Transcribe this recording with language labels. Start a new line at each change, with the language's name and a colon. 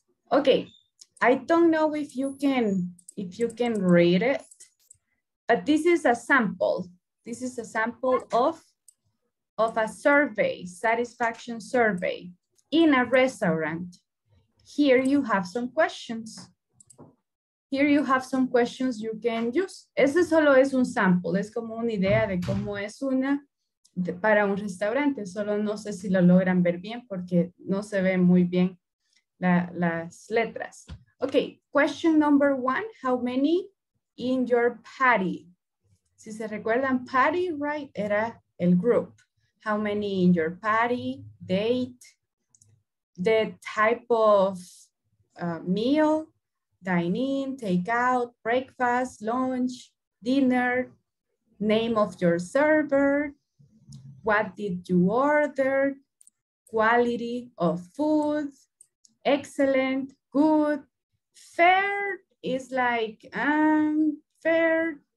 English: Okay, I don't know if you can read it, but this is a sample. This is a sample of a survey, satisfaction survey in a restaurant. Here you have some questions. Here you have some questions you can use.
Spanish: Ese solo es un sample, es como una idea de cómo es una de, para un restaurante. Solo no sé si lo logran ver bien porque no se ven muy bien las letras.
English: Okay, question number one, how many in your party?
Spanish: Si se recuerdan, party, right, era el group.
English: How many in your party, date, the type of meal, dine-in, take-out, breakfast, lunch, dinner, name of your server, what did you order, quality of food, excellent, good, fair is like fair.